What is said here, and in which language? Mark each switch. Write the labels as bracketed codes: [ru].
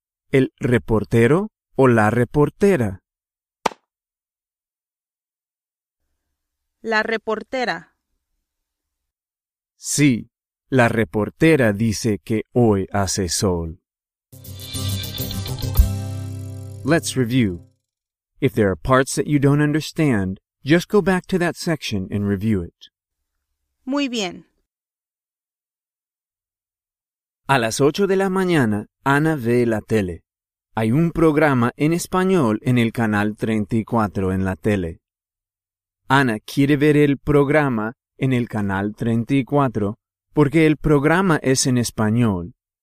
[es] ¿El reportero o la reportera? La reportera. Sí, la reportera dice que hoy hace sol. [en] Let's review. If there are parts that you don't understand, just go back to that section and review it. [es] Muy bien. A las 8 de la mañana, Ana ve la tele. Hay un programa en español en el canal 34 en la tele. Ana quiere ver el programa en el canal 34 porque el programa es en español.